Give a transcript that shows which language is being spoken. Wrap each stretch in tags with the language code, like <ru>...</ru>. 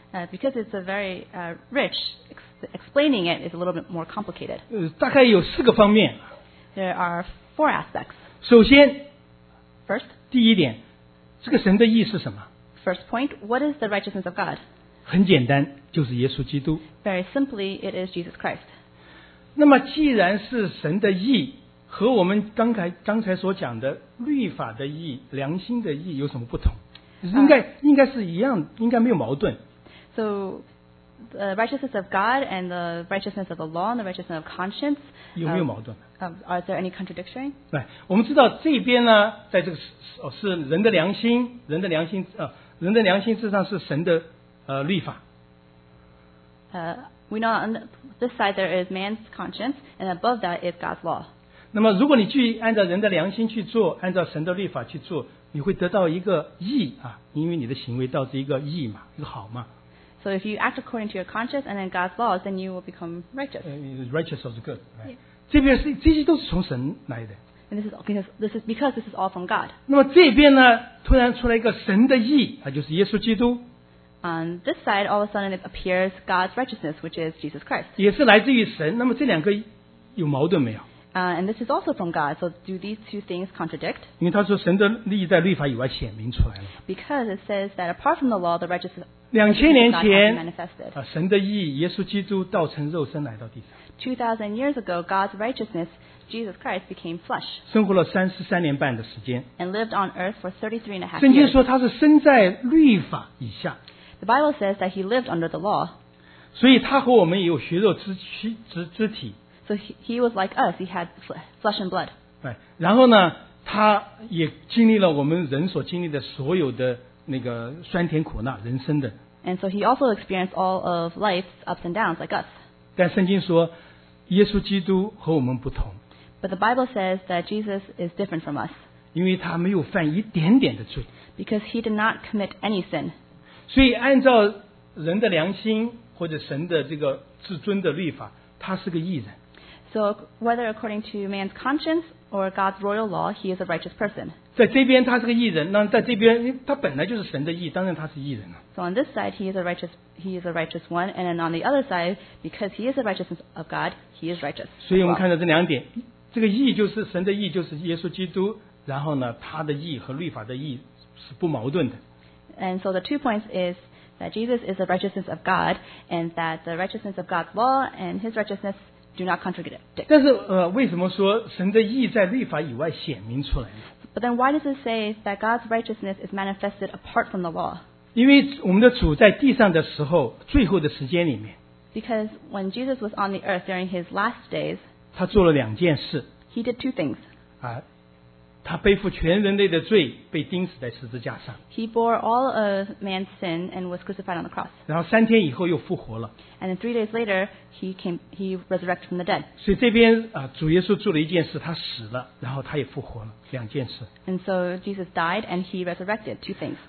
<en>Because it's a very rich explaining it is a little bit more complicated.</en> <zh>大概有四个方面。</zh> <en>There are four aspects.</en> <zh>首先</zh> <en>First.</en> <zh>第一点，这个神的义是什么？</zh> <en>First point, what is the righteousness of God?</en> <zh>很简单，就是耶稣基督。</zh> <en>Very simply, it is Jesus Christ.</en> <zh>那么既然是神的义，和我们刚才所讲的律法的义、良心的义有什么不同？应该是一样，应该没有矛盾。</zh> <en>So, the righteousness of God and the righteousness of the law and the righteousness of conscience</en> <zh>有没有矛盾？</zh> <en>Are there any contradiction?</en> <zh>对，我们知道这边呢，在这个 是人的良心，人的良心人的良心事实上是神的律法。</zh> <en>We know on this side there is man's conscience, and above that is God's law.</en> <zh>那么，如果你去按照人的良心去做，按照神的律法去做，你会得到一个义啊，因为你的行为导致一个义嘛，一个好嘛。</zh> <en>So if you act according to your conscience and then God's laws, then you will become righteous. Righteous is good. Right? Yeah.</en> <zh>这些都是从神来的。</zh> <en>And this is all from God.</en> <zh>那么这边呢，突然出来一个神的义，它就是耶稣基督。</zh> <en>On this side, all of a sudden it appears God's righteousness, which is Jesus Christ.</en> <zh>也是来自于神。那么这两个有矛盾没有？</zh> <en>And this is also from God. So do these two things contradict?</en> <zh>因为他说神的义在律法以外显明出来了。</zh> <en>Because it says that apart from the law, the righteousness</en> <zh>2000年前神的义耶稣基督道成肉身来到地上。</zh> <en>2000 years ago, God's righteousness, Jesus Christ, became flesh.</en> <zh>生活了33年半的时间。</zh> <en>And lived on earth for 33 and a half years.</en> <zh>圣经说他是生在律法以下。</zh> <en>The Bible says that he lived under the law.</en> <zh>所以他和我们也有血肉之体。</zh> <en>So he was like us, he had flesh and blood.</en> <zh>对，然后呢，他也经历了我们人所经历的所有的那个酸甜苦辣，人生的。</zh> <en>And so he also experienced all of life's ups and downs like us.</en> <zh>但圣经说，耶稣基督和我们不同。</zh> <en>But the Bible says that Jesus is different from us.</en> <zh>因为他没有犯一点点的罪。</zh> <en>Because he did not commit any sin.</en> <zh>所以按照人的良心或者神的这个至尊的律法，他是个义人。</zh> <en>So whether according to man's conscience or God's royal law, he is a righteous person.</en> <zh>在这边他是个义人，那在这边他本来就是神的义，当然他是义人了。</zh> <en>So on this side, he is a righteous one, and then on the other side, because he is a righteousness of God, he is righteous.</en> <zh>所以我们看到这两点，这个义就是神的义，就是耶稣基督，然后呢，他的义和律法的义是不矛盾的。</zh> <en>And so the two points is,that Jesus is the righteousness of God and that the righteousness of God's law and his righteousness do not contradict it.</en> <zh>但是为什么说神的义在律法以外显明出来呢？</zh> <en>But then why does it say that God's righteousness is manifested apart from the law?</en> <zh>因为我们的主在地上的时候最后的时间里面，</zh> <en>Because when Jesus was on the earth during his last days,</en> <zh>他做了两件事。</zh> <en>He did two things.</en> <zh>他背负全人类的罪，被钉死在十字架上。</zh> <en>He bore all of man's sin and was crucified on the cross.</en> <zh>然后三天以后又复活了。</zh> <en>And then 3 days later, he resurrected from the dead.</en> <zh>所以这边主耶稣做了一件事，他死了，然后他也复活了，两件事。</zh> <en>And so Jesus died and he resurrected, two things.</en>